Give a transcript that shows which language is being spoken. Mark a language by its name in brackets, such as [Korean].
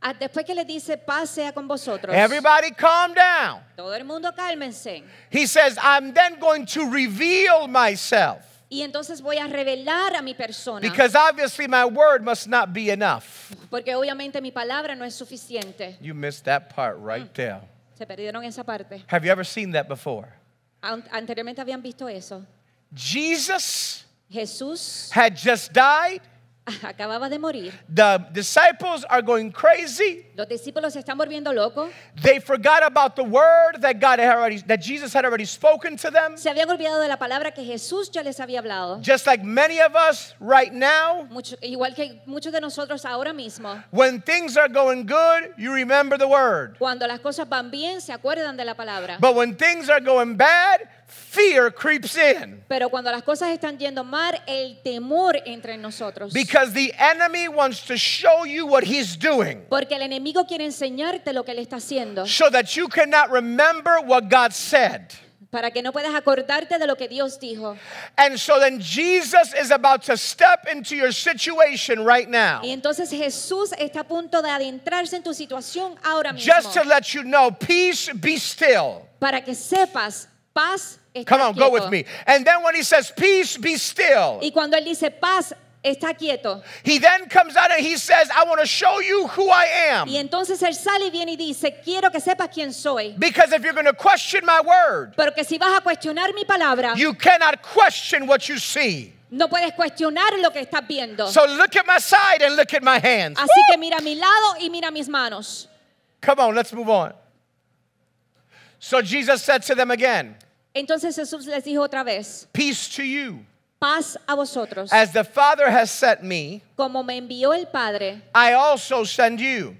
[Spanish] Después que le dice, paz sea con vosotros. [English] Everybody calm down. [Spanish] Todo el mundo cálmense. [English] He says, I'm then going to reveal myself. [Spanish] Y entonces voy a revelar a mi persona. [English] Because obviously my word must not be enough. [Spanish] Porque obviamente mi palabra no es suficiente. [English] You missed that part right there. [Spanish] Se perdieron esa parte. [English] Have you ever seen that before? [Spanish] Anteriormente habían visto eso. [English] Jesus. [Spanish] Jesús. [English] Had just died. [Spanish] Acababa de morir. [English] The disciples are going crazy. [Spanish] Los discípulos se están volviendo locos. [English] They forgot about the word that God had already, that Jesus had already spoken to them. [Spanish] Se habían olvidado de la palabra que Jesús ya les había hablado. [English] Just like many of us right now. [Spanish] Igual que muchos de nosotros ahora mismo. [English] When things are going good, you remember the word. [Spanish] Cuando las cosas van bien, se acuerdan de la palabra. [English] But when things are going bad, fear creeps in. [Spanish] Pero cuando las cosas están yendo mal, el temor entra en nosotros. [English] Because the enemy wants to show you what he's doing. [Spanish] Porque el enemigo quiere enseñarte lo que él está haciendo. [English] So that you cannot remember what God said. [Spanish] Para que no puedas acordarte de lo que Dios dijo. [English] And so then Jesus is about to step into your situation right now. [Spanish] Y entonces Jesús está a punto de adentrarse en tu situación ahora mismo. [English] Just to let you know, peace be still. [Spanish] Para que sepas, paz. [English] Come on, go with me. And then when he says, peace, be still. [Spanish] Y cuando él dice, paz, está quieto. [English] He then comes out and he says, I want to show you who I am. [Spanish] Y entonces él sale y viene y dice, quiero que sepas quién soy. [English] Because if you're going to question my word. [Spanish] Porque si vas a cuestionar mi palabra. [English] You cannot question what you see. [Spanish] No puedes cuestionar lo que estás viendo. [English] So look at my side and look at my hands. [Spanish] Así que mira mi lado y mira mis manos. [English] Come on, let's move on. So Jesus said to them again. [Spanish] Entonces Jesús les dijo otra vez. [English] Peace to you. [Spanish] Paz a vosotros. [English] As the Father has sent me. [Spanish] Como me envió el Padre. [English] I also send you.